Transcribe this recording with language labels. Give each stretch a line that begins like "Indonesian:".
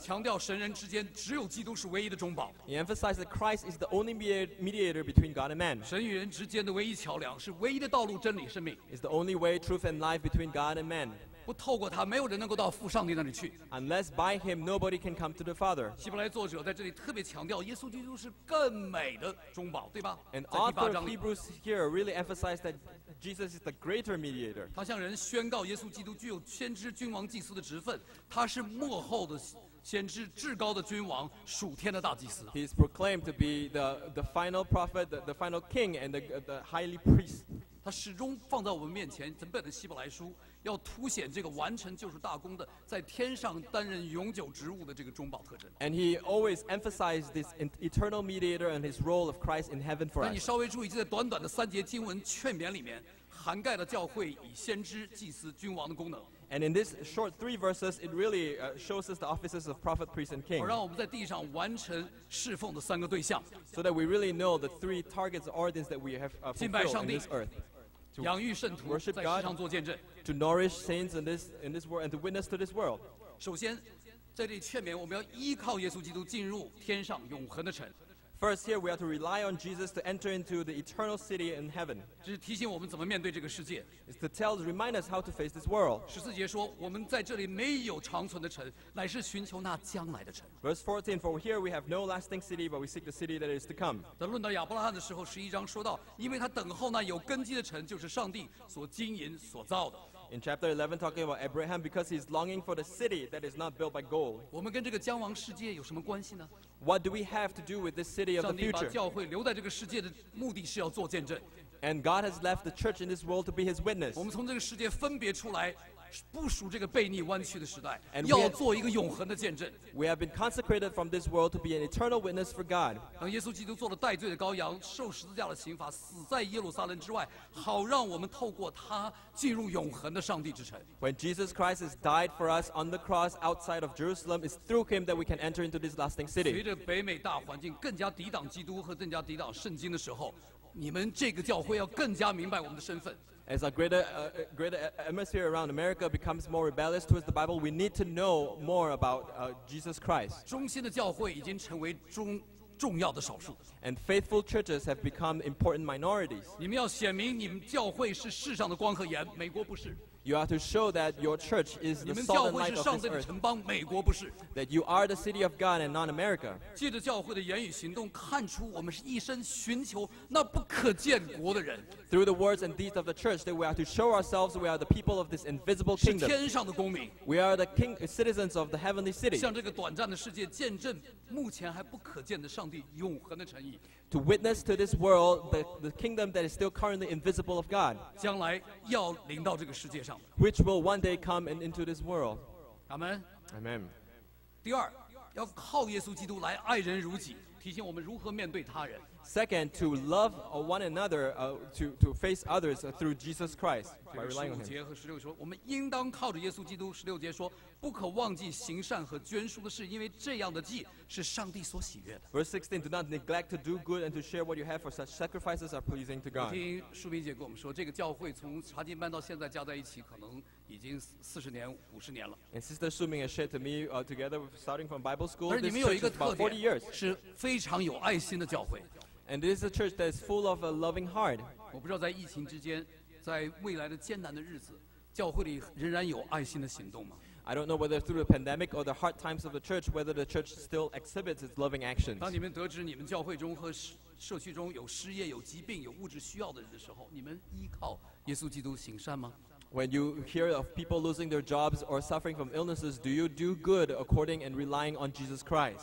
Chinese: 强调神人之间只有基督是唯一的中保。
English: He emphasized that Christ is the only mediator between God and man.
Chinese: 神与人之间的唯一桥梁是唯一的道路真理生命。
English: Is the only way, truth, and life between God and man.
Chinese: 不透过他，没有人能够到父上帝那里去。
English: Unless by him, nobody can come to the Father.
Chinese: 希伯来作者在这里特别强调，耶稣基督是更美的中保，对吧
English: ？And author Hebrews here really emphasized that. Jesus is the greater mediator.
Chinese: 他向人宣告耶稣基督具有先知、君王、祭司的职分。他是末后的先知、至高的君王、属天的大祭司。
English: He is proclaimed to be the final prophet, the final king, and the highly priest.
Chinese: 他始终放在我们面前整本的希伯来书，要凸显这个完成救赎大功的，在天上担任永久职务的这个中保特征。
English: And he always emphasized this eternal mediator and his role of Christ in heaven for us.
Chinese: 那你稍微注意，就在短短的三节经文劝勉里面，涵盖了教会以先知、祭司、君王的功能。
English: And in this short three verses, it really shows us the offices of prophet, priest, and king.
Chinese: 让我们在地上完成侍奉的三个对象。
English: So that we really know the three targets or ordains that we have fulfilled on this earth.
Chinese: 养育圣徒，在世上做见证。
English: To nourish saints in this world and to witness to this world.
Chinese: 首先，这里劝勉我们要依靠耶稣基督进入天上永恒的城。
English: First, here we are to rely on Jesus to enter into the eternal city in heaven.
Chinese: 这是提醒我们怎么面对这个世界。
English: It's to tell, remind us how to face this world.
Chinese: 十四节说，我们在这里没有长存的城，乃是寻求那将来的城。
English: Verse 14, for here we have no lasting city, but we seek the city that is to come.
Chinese: 在论到亚伯拉罕的时候，十一章说到，因为他等候那有根基的城，就是上帝所经营所造的。
English: In chapter 11, talking about Abraham, because he's longing for the city that is not built by gold.
Chinese: 我们跟这个将亡世界有什么关系呢？
English: What do we have to do with this city of the future?
Chinese: 上帝把教会留在这个世界的目的是要做见证。
English: And God has left the church in this world to be his witness.
Chinese: 我们从这个世界分别出来，不属这个悖逆弯曲的时代，要做一个永恒的见证。
English: We have been consecrated from this world to be an eternal witness for God.
Chinese: 当耶稣基督做了代罪的羔羊，受十字架的刑罚，死在耶路撒冷之外，好让我们透过他进入永恒的上帝之城。
English: When Jesus Christ has died for us on the cross outside of Jerusalem, it's through him that we can enter into this lasting city.
Chinese: 随着北美大环境更加抵挡基督和更加抵挡圣经的时候，你们这个教会要更加明白我们的身份。
English: As a greater atmosphere around America becomes more rebellious towards the Bible, we need to know more about Jesus Christ.
Chinese: 忠心的教会已经成为重要的少数。
English: And faithful churches have become important minorities.
Chinese: 你们要显明你们教会是世上的光和盐，美国不是。
English: You are to show that your church is the salt and light of this earth.
Chinese: 你们教会是上帝的城邦，美国不是。
English: That you are the city of God and not America.
Chinese: 借着教会的言语行动，看出我们是一生寻求那不可见国的人。
English: Through the words and deeds of the church, that we are to show ourselves we are the people of this invisible kingdom.
Chinese: 是天上的公民。
English: We are the king citizens of the heavenly city.
Chinese: 向这个短暂的世界见证目前还不可见的上帝永恒的诚意。
English: To witness to this world the kingdom that is still currently invisible of God,
Chinese: 将来要临到这个世界上，
English: which will one day come and into this world. Amen. Amen.
Chinese: 第二，要靠耶稣基督来爱人如己，提醒我们如何面对他人。
English: Second, to love one another, to face others through Jesus Christ by relying on him.
Chinese: 十五节和十六说，我们应当靠着耶稣基督。十六节说，不可忘记行善和捐书的事，因为这样的祭是上帝所喜悦的。
English: Verse 16, do not neglect to do good and to share what you have, for such sacrifices are pleasing to God.
Chinese: 听淑萍姐跟我们说，这个教会从查经班到现在加在一起，可能已经四十年、五十年了。
English: And Sister Su Ming has shared to me, together starting from Bible school.
Chinese: 而你们有一个特点，是非常有爱心的教会。
English: And this is a church that is full of a loving heart.
Chinese: 我不知道在疫情之间，在未来的艰难的日子，教会里仍然有爱心的行动吗？
English: I don't know whether through the pandemic or the hard times of the church, whether the church still exhibits its loving actions.
Chinese: 当你们得知你们教会中和社区中有失业、有疾病、有物质需要的人的时候，你们依靠耶稣基督行善吗？
English: When you hear of people losing their jobs or suffering from illnesses, do you do good according and relying on Jesus Christ?